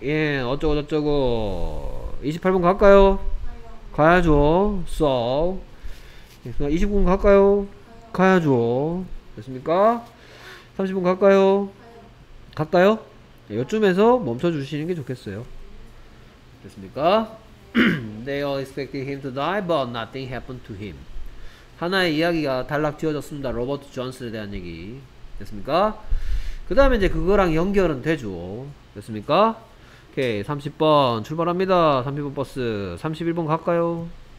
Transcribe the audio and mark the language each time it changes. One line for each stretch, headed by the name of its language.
Korean: 예, 어쩌고저쩌고. 28번 갈까요? 가야죠. So. 29번 갈까요? 가야죠. 됐습니까? 30번 갈까요? 갈까요? 요쯤에서 멈춰주시는 게 좋겠어요. 됐습니까?
English: They all expected him to die, but nothing happened to him.
Korean: 하나의 이야기가 단락 지어졌습니다. 로버트 존스에 대한 얘기. 됐습니까? 그 다음에 이제 그거랑 연결은 되죠. 됐습니까? 오케이. 30번 출발합니다. 30번 버스. 31번 갈까요?